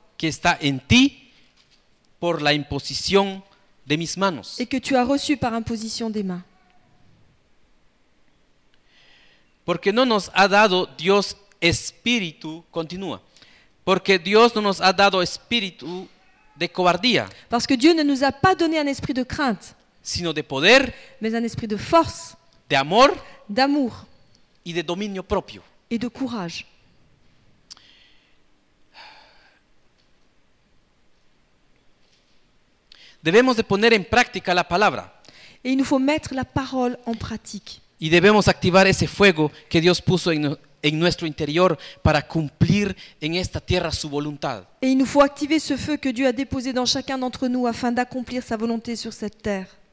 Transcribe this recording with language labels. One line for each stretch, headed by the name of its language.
Spanish: Que está en ti por la imposición de mis manos.
French: Et que tu as reçu par imposition des mains.
Spanish: Porque no nos ha dado Dios espíritu, continúa. Porque Dios no nos ha dado espíritu de cobardía.
French: Parce que Dieu ne nous a pas donné un esprit de crainte.
Spanish: Sino de poder.
French: Mais un esprit de force.
Spanish: De amor.
French: D'amour.
Spanish: Y de dominio propio.
French: Et de courage.
Spanish: Debemos de poner en práctica la palabra.
French: Et il nous faut mettre la parole en pratique.
Spanish: Y debemos activar ese fuego que Dios puso en nuestro interior para cumplir en esta tierra su voluntad.
French: Et il nous faut activer ce feu que Dieu a déposé dans chacun d'entre nous afin d'accomplir sa volonté sur cette terre.